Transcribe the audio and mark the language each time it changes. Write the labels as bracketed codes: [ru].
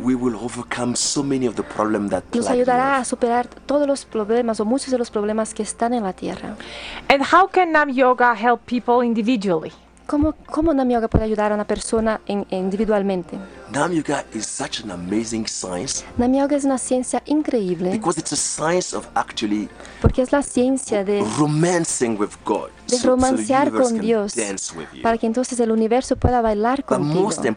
[en] We will overcome so many of the problems that [es] nos ayudará a superar todos los problemas o muchos de los problemas que están en la tierra. [en] And how can Nam Yoga help people individually? [es] ¿Cómo Nam Yoga puede ayudar a una persona individualmente? [en] Nam Yoga is such an amazing science. [es] Nam Yoga es una ciencia increíble. [en] Because it's a science of actually [es] porque es la ciencia de [en] romancing with God. [es] De romancear con Dios para que entonces el universo pueda bailar contigo.